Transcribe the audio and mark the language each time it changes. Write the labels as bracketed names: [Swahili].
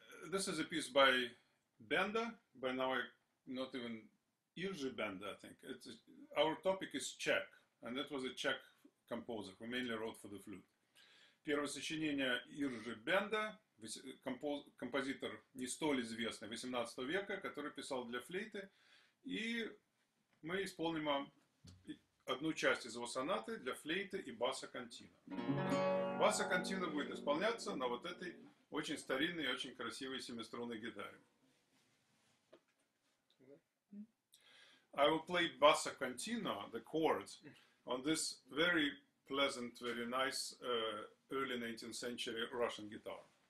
[English] This is a piece by Benda, by now not even Ilja Benda, I think. Our topic is Czech, and that was a Czech composer who mainly wrote for the flute. [Russian] Первое сочинение Иржи Бенда, композитор не столь известный 18 века, который писал для флейты, и мы исполним одну часть из его сонаты для флейты и баса контино. Баса контино будет исполняться на вот этой очень старинной и очень красивой семиструнной гитаре. [English] I will play basso continuo, the chords, on this very pleasant, very nice early 19th century Russian guitar.